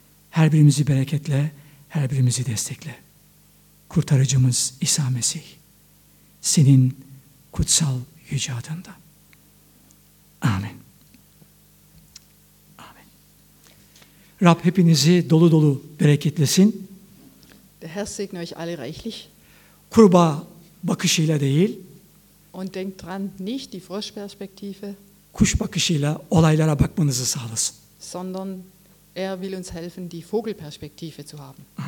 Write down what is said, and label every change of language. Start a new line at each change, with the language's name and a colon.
Turkish: Her birimizi bereketle, her birimizi destekle. Kurtarıcımız İsa Mesih, senin kutsal yüce adında. Amin. Amin. Rab hepinizi dolu dolu bereketlesin.
German: Der Herr segne euch alle reichlich.
Turkish: Kurba bakışıyla değil.
German: Und denkt dran, nicht die Froschperspektive.
Turkish: Kuş bakışıyla olaylara bakmanızı sağlasın.
German: Sondern er will uns helfen, die Vogelperspektive zu haben.